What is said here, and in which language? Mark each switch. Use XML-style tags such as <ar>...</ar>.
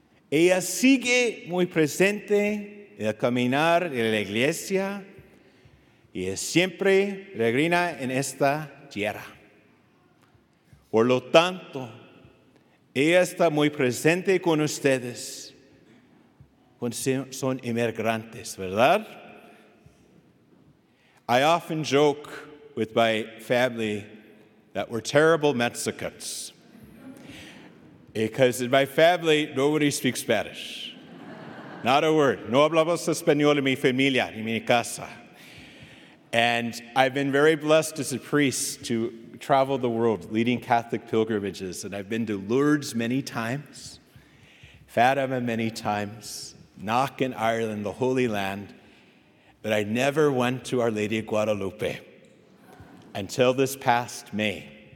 <es>Ella sigue muy presente en el caminar de la iglesia y es siempre peregrina en esta tierra. Por lo tanto, ella está muy presente con ustedes, cuando son inmigrantes, ¿verdad?</es> <en>I often joke with my family that we're terrible Mexicans because in my family, nobody speaks Spanish. Not a word.</en> <es>No hablamos español en mi familia, en mi casa.</es> <en>And I've been very blessed as a priest to travel the world leading Catholic pilgrimages. And I've been to Lourdes many times, Fatima many times, Knock in Ireland, the Holy Land. But I never went to Our Lady of Guadalupe until this past May.</en>